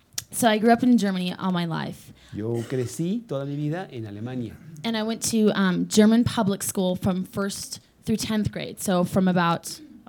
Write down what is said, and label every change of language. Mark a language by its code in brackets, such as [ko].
[en] So I grew up in Germany all my life. [es] Yo crecí toda mi vida en Alemania. [en] And I went to German public school from 1st through 10th grade. So from about